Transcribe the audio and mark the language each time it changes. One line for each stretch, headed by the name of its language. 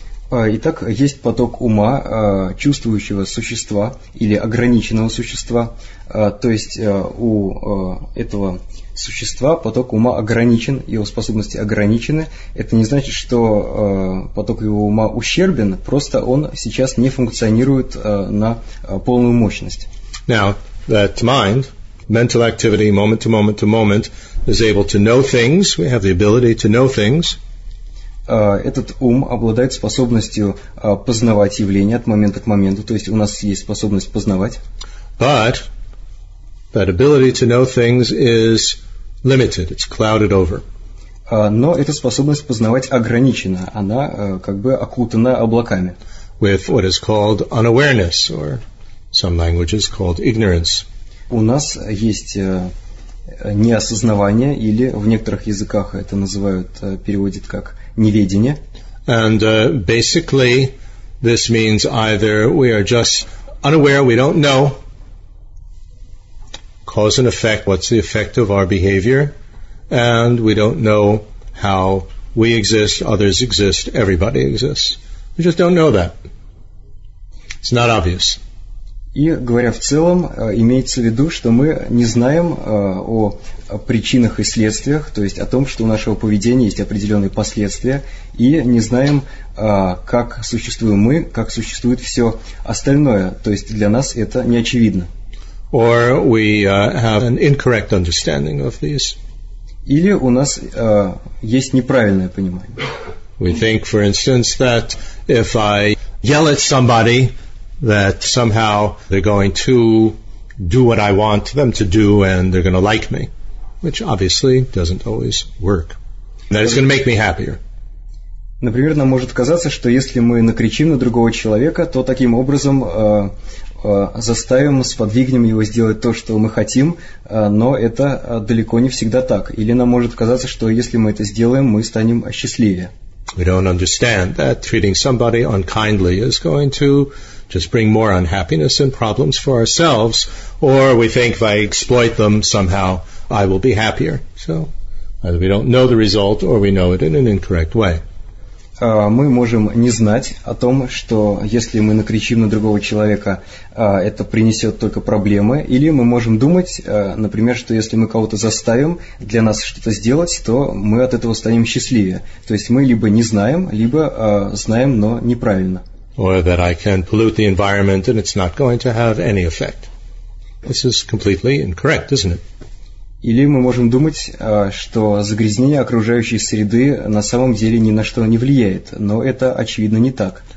Russian: Итак, есть поток ума чувствующего существа или ограниченного существа. То есть у этого существа поток ума ограничен, его способности ограничены. Это не значит, что поток его ума ущербен, просто он сейчас не функционирует на полную мощность.
English: Now, that mind, mental activity, moment to moment to moment, is able to know things, we have the ability to know things.
Russian: Этот ум обладает способностью познавать явления от момента к моменту, то есть у нас есть способность познавать.
English: But that ability to know things is limited, it's clouded over.
Russian: Но эта способность познавать ограничена, она как бы окутана облаками.
English: With what is called unawareness, or some languages called ignorance.
Russian: У нас есть неосознавание, или в некоторых языках это называют, переводит как неведение.
English: And basically, this means either we are just unaware, we don't know, cause and effect, what's the effect of our behavior, and we don't know how we exist, others exist, everybody exists. We just don't know that. It's not obvious.
Russian: И говоря в целом, имеется в виду, что мы не знаем о причинах и следствиях, то есть о том, что у нашего поведения есть определенные последствия, и не знаем, как существуем мы, как существует все остальное, то есть для нас это не очевидно.
English: Or we have an incorrect understanding of these.
Russian: Или у нас есть неправильное понимание.
English: We think, for instance, that if I yell at somebody, that somehow they're going to do what I want them to do and they're going to like me, which obviously doesn't always work. That is going to make me happier.
Russian: Например, нам может казаться, что если мы накричим на другого человека, то таким образом заставим, сподвигнем его сделать то, что мы хотим, но это далеко не всегда так. Или нам может казаться, что если мы это сделаем, мы станем счастливее.
English: We don't understand that treating somebody unkindly is going to just bring more unhappiness and problems for ourselves, or we think if I exploit them somehow, I will be happier. So, either we don't know the result, or we know it in an incorrect way.
Russian: Мы можем не знать о том, что если мы накричим на другого человека, это принесет только проблемы, или мы можем думать, например, что если мы кого-то заставим для нас что-то сделать, то мы от этого станем счастливее. То есть мы либо не знаем, либо знаем, но неправильно.
English: Or that I can pollute the environment and it's not going to have any effect. This is completely incorrect, isn't it?
Russian: Или мы можем думать, что загрязнение окружающей среды на самом деле ни на что не влияет, но это очевидно не так.